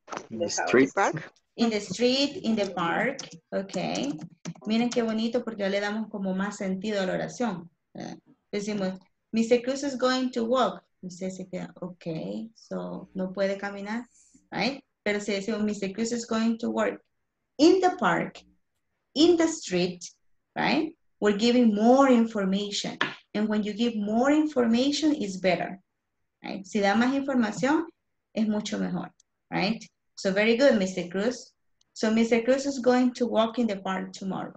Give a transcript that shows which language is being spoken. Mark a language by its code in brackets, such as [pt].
[en] In the street park. In the street, in the park. Okay. [es] Miren qué bonito porque ya le damos como más sentido a la oración. Decimos, [en] Mr. Cruz is going to walk. [es] Usted se queda, [en] okay, so [es] no puede caminar, [en] right? [es] Pero si decimos, Mr. [en] Cruz is going to work in the park, in the street, right? We're giving more information. And when you give more information, it's better, right? [es] Si da más información, es mucho mejor, right? [en] So very good, Mr. Cruz. So Mr. Cruz is going to walk in the park tomorrow.